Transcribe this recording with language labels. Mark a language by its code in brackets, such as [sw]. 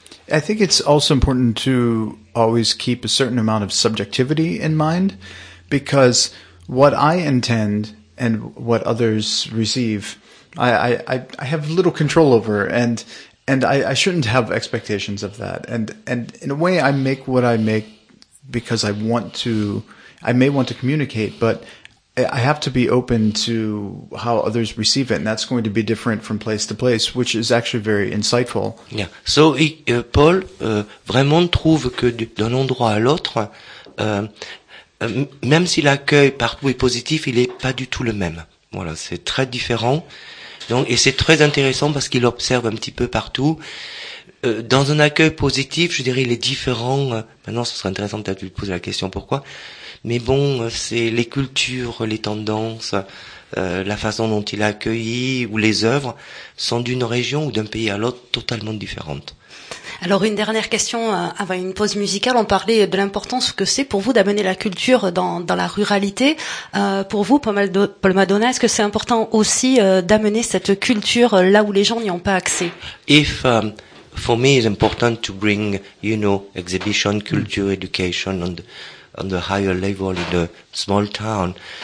[en] I think it's also important to always keep a certain amount of subjectivity in mind because what I intend and what others receive, I have little control over, and I shouldn't have expectations of that. And in a way, I make what I make because I want to. I may want to communicate, but I have to be open to how others receive it, and that's going to be different from place to place, which is actually very insightful. Yeah. [fr] So Paul vraiment trouve que d'un endroit à l'autre, même si l'accueil partout est positif, il est pas du tout le même. Voilà, c'est très différent. Donc, et c'est très intéressant parce qu'il observe un petit peu partout. Dans un accueil positif, je dirais, il est différent. Maintenant, ce serait intéressant peut-être de lui poser la question pourquoi. Mais bon, c'est les cultures, les tendances, la façon dont il a accueilli ou les œuvres sont d'une région ou d'un pays à l'autre totalement différentes. Alors une dernière question avant une pause musicale. On parlait de l'importance que c'est pour vous d'amener la culture dans la ruralité. Pour vous, Paul Madonna, est-ce que c'est important aussi d'amener cette culture là où les gens n'y ont pas accès? [en] If for me, it's important to bring, you know, exhibition, culture, education on the higher level in the small town.